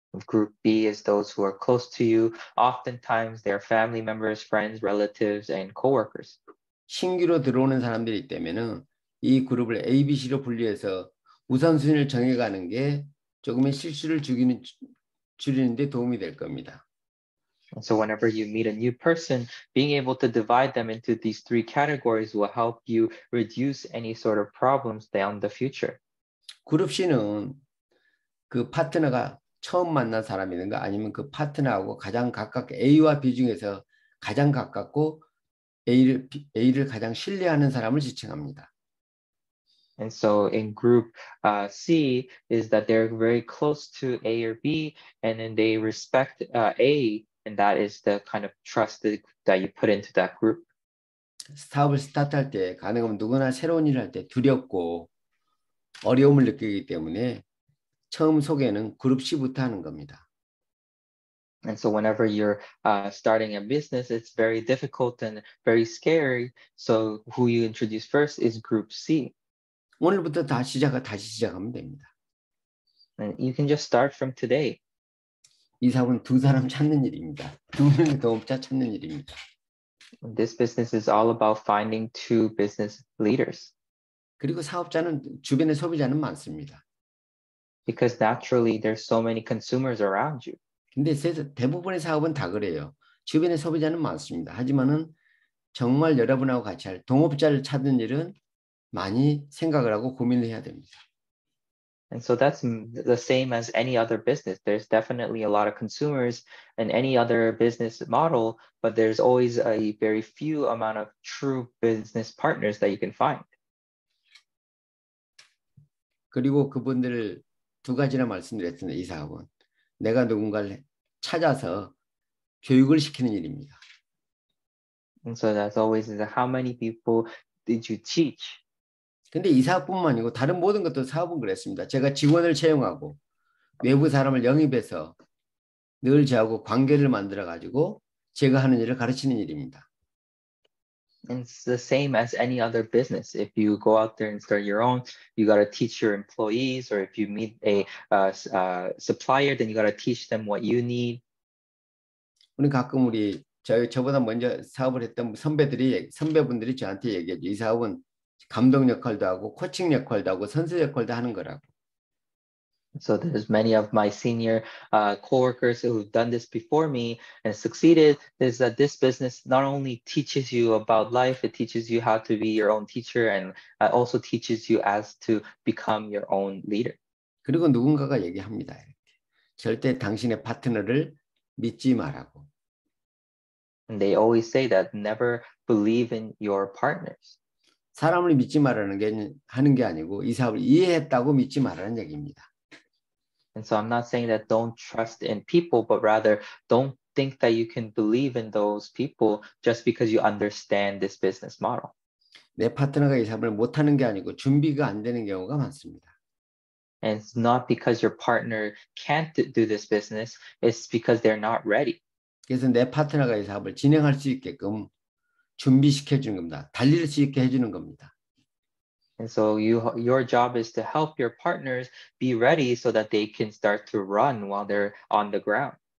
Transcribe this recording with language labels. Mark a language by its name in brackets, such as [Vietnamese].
[English] Group B is those who are close to you. Oftentimes, they are family members, friends, relatives, and co-workers. [Korean] 신규로 들어오는 사람들이 있다면은 이 그룹을 A, B, C로 분류해서 우선순위를 정해가는 게 조금의 실수를 줄이는 데 도움이 될 겁니다. [English] So whenever you meet a new person, being able to divide them into these three categories will help you reduce any sort of problems down the future. [Korean] 그룹 C는 그 파트너가 처음 만난 사람이든가 아니면 그 파트너하고 가장 가깝게 A와 B 중에서 가장 가깝고 A를 가장 신뢰하는 사람을 지칭합니다. [English] And so in group C is that they're very close to A or B and then they respect A and that is the kind of trust that you put into that group. [Korean] 스타트업을 스타트할 때 가능하면 누구나 새로운 일을 할 때 두렵고 어려움을 느끼기 때문에 처음 소개는 그룹 C부터 하는 겁니다. [English] And so whenever you're starting a business, it's very difficult and very scary. So who you introduce first is group C. [Korean] 오늘부터 다시 시작하면 됩니다. [English] And you can just start from today. [Korean] 이 사업은 두 사람 찾는 일입니다. 두 명의 도움자 찾는 일입니다. [English] This business is all about finding two business leaders. [Korean] 그리고 사업자는 주변에 소비자는 많습니다. [English] Because naturally there's so many consumers around you. [Korean] 근데 대부분의 사업은 다 그래요. 주변에 소비자는 많습니다. 하지만은 정말 여러분하고 같이 할 동업자를 찾는 일은 많이 생각을 하고 고민을 해야 됩니다. [English] And so that's the same as any other business. There's definitely a lot of consumers in any other business model, but there's always a very few amount of true business partners that you can find. [Korean] 그리고 그분들을 두 가지나 말씀드렸습니다. 이 사업은 내가 누군가를 찾아서 교육을 시키는 일입니다. [English] And so that's always how many people did you teach? [Korean] 근데 이 사업뿐만 아니고 다른 모든 것도 사업은 그랬습니다. 제가 직원을 채용하고 외부 사람을 영입해서 늘 저하고 관계를 만들어가지고 제가 하는 일을 가르치는 일입니다. [English] It's the same as any other business. If you go out there and start your own, you got to teach your employees, or if you meet a supplier, then you got to teach them what you need. [Korean] 우리 가끔 우리 저보다 먼저 사업을 했던 선배분들이 저한테 얘기해요. 이 사업은 감독 역할도 하고 코칭 역할도 하고 선수 역할도 하는 거라고. [English] So there's many of my senior co-workers who've done this before me and succeeded is that this business not only teaches you about life, it teaches you how to be your own teacher and also teaches you as to become your own leader. [Korean] 그리고 누군가가 얘기합니다. 절대 당신의 파트너를 믿지 말라고. [English] And they always say that never believe in your partners. [Korean] 사람을 믿지 말라는 게 하는 게 아니고 이 사업을 이해했다고 믿지 말라는 얘기입니다. [English] And so I'm not saying that don't trust in people, but rather don't think that you can believe in those people just because you understand this business model. [Korean] 내 파트너가 이 사업을 못 하는 게 아니고 준비가 안 되는 경우가 많습니다. [English] And it's not because your partner can't do this business, it's because they're not ready. [Korean] 그래서 내 파트너가 이 사업을 진행할 수 있게끔 준비시켜 주는 겁니다. 달릴 수 있게 해 주는 겁니다. [English] And so your job is to help your partners be ready so that they can start to run while they're on the ground.